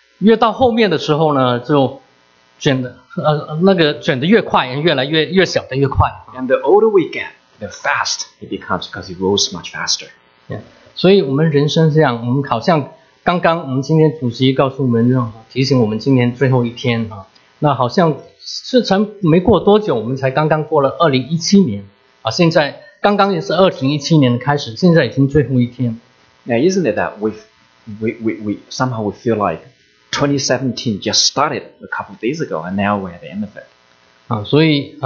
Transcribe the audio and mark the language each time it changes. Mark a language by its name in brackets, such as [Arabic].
[Chinese] 越到后面的时候呢，就 卷的越快，越来越小的越快。And [English] the older we get, the fast it becomes because it rolls much faster. Yeah. [Chinese] 所以我们人生这样，我们好像刚刚，我们今天主席告诉我们这样，提醒我们今年最后一天啊。那好像事成没过多久，我们才刚刚过了2017年啊，现在刚刚也是2017年的开始，现在已经最后一天。Yeah, [English] isn't it that we somehow feel like 2017 just started a couple of days ago, and now we're at the end of it.